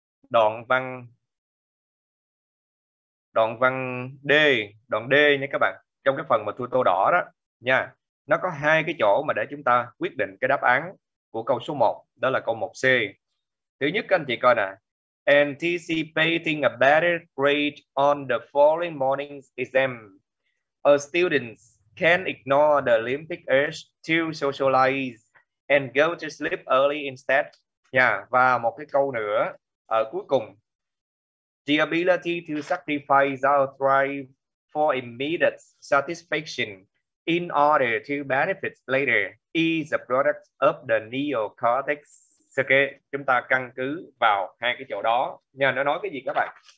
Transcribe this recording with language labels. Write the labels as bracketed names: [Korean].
[Vietnamese] Đoạn văn D nha các bạn. Trong cái phần mà thua tô đỏ đó nha. Nó có hai cái chỗ mà để chúng ta quyết định cái đáp án của câu số 1, đó là câu 1C. Thứ nhất các anh chị coi nè. [English] Anticipating a better grade on the following morning's exam. A student can ignore the Olympic urge to socialize and go to sleep early instead. [Vietnamese] Và một cái câu nữa ở cuối cùng. [English] The ability to sacrifice our thrive for immediate satisfaction in order to benefit later is a product of the neocortex. [Vietnamese] Ok, chúng ta căn cứ vào hai cái chỗ đó nha. Nó nói cái gì các bạn?